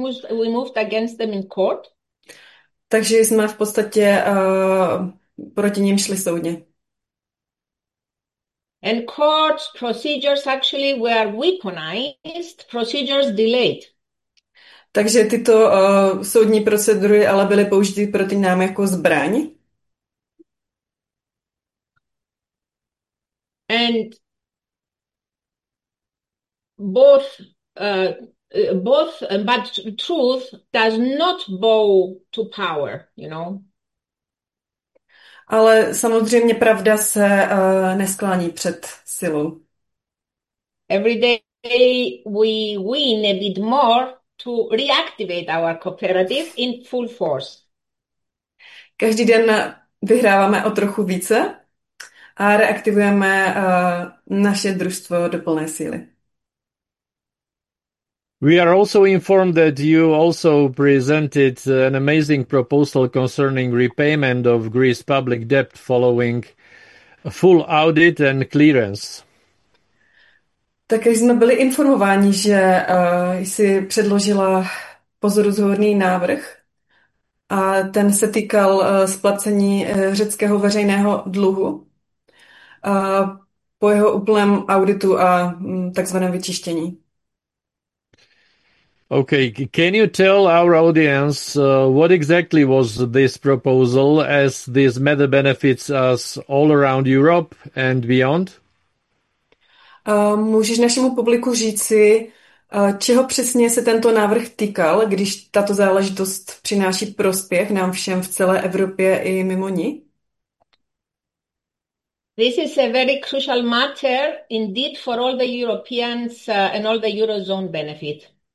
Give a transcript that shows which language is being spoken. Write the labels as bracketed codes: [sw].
[en] We moved against them in court. [cs] Takže jsme v podstatě proti ním šli soudně. [en] And court procedures actually were weaponized, procedures delayed. [cs] Takže tyto soudní procedury ale byly použity proti nám jako zbraň. [en] And both but truth does not bow to power, you know. [cs] Ale samozřejmě pravda se nesklání před silou. [en] Every day we win a bit more to reactivate our cooperative in full force. [cs] Každý den vyhráváme o trochu více a reaktivujeme naše družstvo do plné síly. [en] We are also informed that you also presented an amazing proposal concerning repayment of Greece public debt following a full audit and clearance. [cs] Také jsme byli informováni, že jsi předložila pozoruhodný návrh a ten se týkal splacení řeckého veřejného dluhu po jeho úplném auditu a takzvaném vyčištění. [en] Okay, can you tell our audience what exactly was this proposal, as this matter benefits us all around Europe and beyond? [cs] Můžeš našemu publiku říci, čeho přesně se tento návrh týkal, když tato záležitost přináší prospěch nám všem v celé Evropě i mimo ní? [en] This is a very crucial matter indeed for all the Europeans and all the Eurozone benefit.